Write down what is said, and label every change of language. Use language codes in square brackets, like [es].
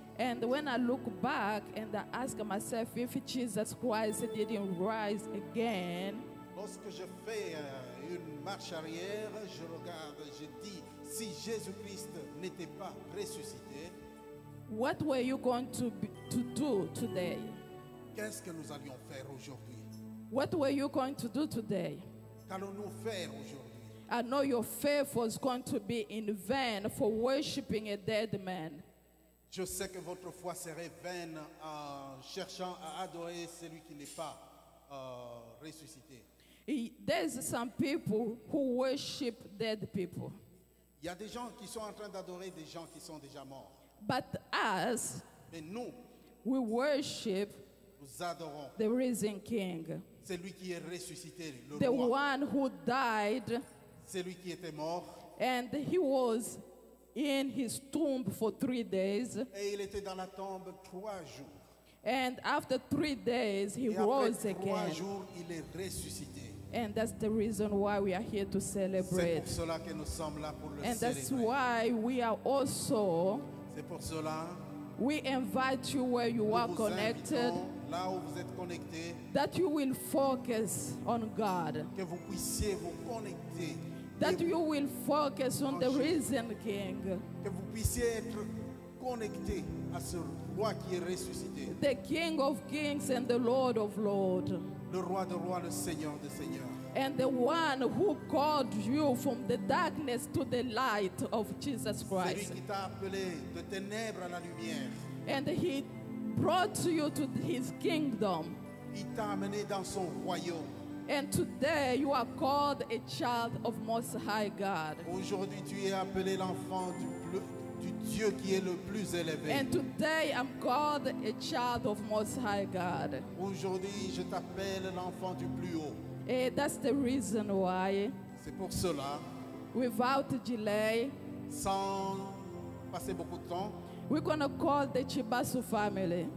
[en] And when I look back and I ask myself if Jesus Christ didn't rise again, [fr] lorsque je fais une marche arrière, je regarde, je dis, si Jésus-Christ n'était pas ressuscité, [en] what were you going to do today? [fr] Qu'est-ce que nous allions faire aujourd'hui? [en] What were you going to do today? [fr] Qu'allons-nous faire aujourd'hui? [en] I know your faith was going to be in vain for worshiping a dead man. [fr] Je sais que votre foi serait vaine en cherchant à adorer celui qui n'est pas ressuscité. [en] There's some people who worship dead people. [fr] Il y a des gens qui sont en train d'adorer des gens qui sont déjà morts. [en] But us, [fr] mais nous, [en] we worship, [fr] nous adorons [en] the risen King. [fr] Celui qui est ressuscité, le [en] the [fr] roi. [en] One who died. [fr] Celui qui était mort. [en] And he was in his tomb for 3 days. [fr] Et il était dans la tombe 3 jours. [en] And after 3 days, he rose again. [fr] Trois jours, il est ressuscité. [en] And that's the reason why we are here to celebrate. [fr] C'est pour cela que nous sommes là pour le [en] and [fr] célébrer. [en] That's why we are also, [fr] c'est pour cela, [en] we invite you where you [fr] nous [en] are connected, [fr] là où vous êtes connecté, [en] that you will focus on God. [fr] Que vous puissiez vous connecter, [en] that you will focus on the risen King. [fr] Que vous puissiez être connecté à ce roi qui est ressuscité. [en] The King of Kings and the Lord of Lords. [fr] Le roi de rois, le Seigneur de Seigneurs. [en] And the one who called you from the darkness to the light of Jesus Christ. [fr] Celui qui t'a appelé de ténèbres à la lumière. [en] And he brought you to his kingdom. [fr] Il t'a amené dans son royaume. [en] And today you are called a child of Most High God. [fr] Aujourd'hui tu es appelé l'enfant du Dieu qui est le plus élevé. [en] And today I'm called a child of Most High God. [fr] Aujourd'hui je t'appelle l'enfant du plus haut. [en] And that's the reason why. [fr] C'est pour cela. [en] Without delay. [fr] Sans passer beaucoup de temps. [en] We're gonna call the Chibasu family.